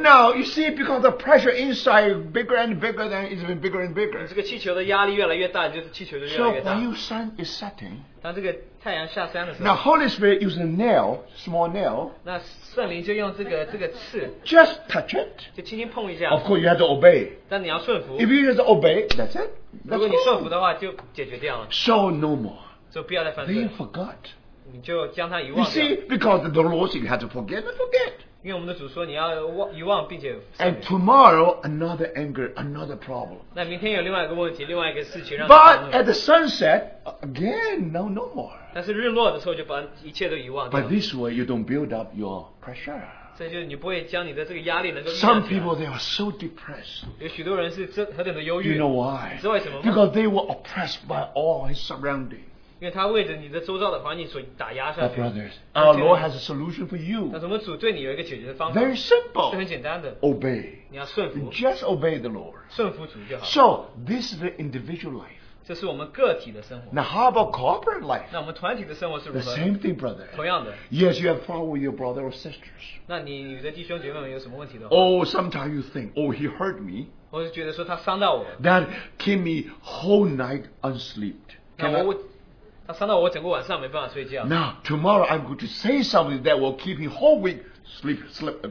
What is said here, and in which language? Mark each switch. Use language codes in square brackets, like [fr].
[en] now you see, because the pressure inside bigger and bigger, then it's been bigger and bigger. [zh] 这个气球的压力越来越大, [en] so when your sun is setting, [zh] 当这个太阳下山的时候, [en] now Holy Spirit use a nail, small nail, [zh] 那圣灵就用这个刺, [en] just touch it, [zh] 就轻轻碰一下, [en] of course you have to obey, [zh] 但你要顺服, [en] if you just obey, that's it, that's [zh] 如果你顺服的话, cool, 就解决掉了, [en] so no more, [zh] 就不要再犯罪, [en] then you forgot, [zh] 你就将它遗忘掉, [en] you see, because the Lord, you have to forget and forget, [zh] 因为我们的主说你要遗忘并且, [en] and tomorrow another anger, another problem. [zh] 那明天有另外一个问题, 另外一个事情让你, [en] but at the sunset again, no more. [zh] 但是日落的时候就把一切都遗忘掉了, [en] but this way you don't build up your pressure. [zh] 所以就你不会将你的这个压力能够, [en] some people, they are so depressed. [zh] 有许多人是何等的忧郁, [en] you know why? [zh] 你知道为什么吗? [en] Because they were oppressed by all his surroundings. But brothers, our Lord has a solution for you. Very simple. [zh] 是很简单的, [en] obey. [zh] 你要顺服, [en] just obey the Lord. [zh] 顺服主就好, [en] so, this is the individual life. [zh] 这是我们个体的生活, [en] now, how about corporate life? [zh] 那我们团体的生活是如何? [en] The same thing, brother. [zh] 同样的, [en] yes, you have fought with your brother or sisters. [zh] 那你与的弟兄姐妹们有什么问题的话? [en] Oh, sometimes you think, oh, he hurt me. That keep me whole night unsleeped. Now, tomorrow I'm going to say something that will keep him whole week sleepless.